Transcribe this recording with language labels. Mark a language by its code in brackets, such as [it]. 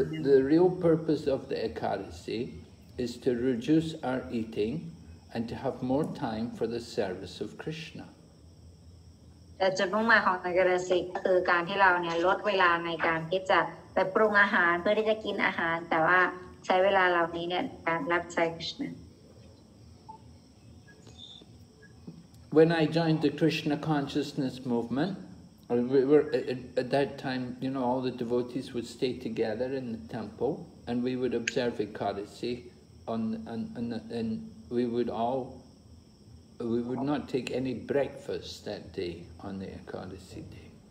[en] The real purpose of the Ekadasi is to reduce our eating and to have more time for the service of Krishna. [th] จุดมุ่งหมายของเอกราชีคือการที่เราเนี่ยลดเวลาในการที่จะไปปรุงอาหารเพื่อที่จะกินอาหารแต่ว่าใช้เวลาเหล่านี้เนี่ยการรับใช้ Krishna. [en] When I joined the Krishna consciousness movement, At that time, you know, all the devotees would stay together in the temple, and we would observe Ekadasi, and we would all, we would not take any breakfast that day on the Ekadasi day.